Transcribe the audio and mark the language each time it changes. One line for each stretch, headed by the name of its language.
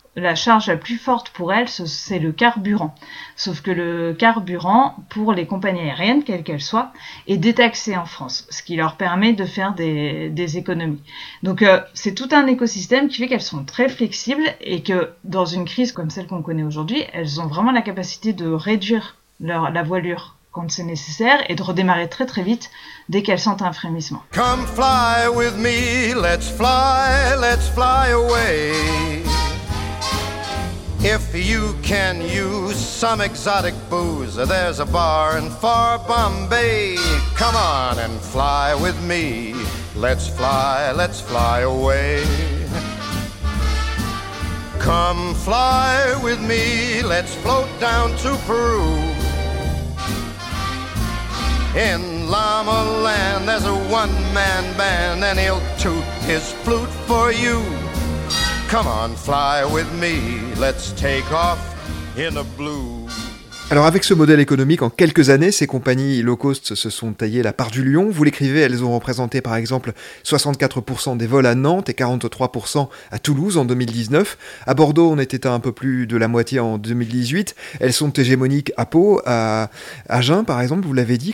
French: La charge la plus forte pour elles, c'est le carburant. Sauf que le carburant, pour les compagnies aériennes, quelles qu'elles soient, est détaxé en France, ce qui leur permet de faire des économies. Donc c'est tout un écosystème qui fait qu'elles sont très flexibles et que dans une crise comme celle qu'on connaît aujourd'hui, elles ont vraiment la capacité de réduire la voilure quand c'est nécessaire et de redémarrer très très vite dès qu'elles sentent un frémissement.
English: Come fly with me, let's fly away. If you can use some exotic booze, there's a bar in far Bombay. Come on and fly with me. Let's fly away. Come fly with me, let's float down to Peru. In Llama Land, there's a one-man band, and he'll toot his flute for you. Come on, fly with me, let's take off in the blue.
French: Alors avec ce modèle économique, en quelques années, ces compagnies low-cost se sont taillées la part du lion. Vous l'écrivez, elles ont représenté par exemple 64% des vols à Nantes et 43% à Toulouse en 2019. À Bordeaux, on était à un peu plus de la moitié en 2018. Elles sont hégémoniques à Pau, à Agen par exemple, vous l'avez dit.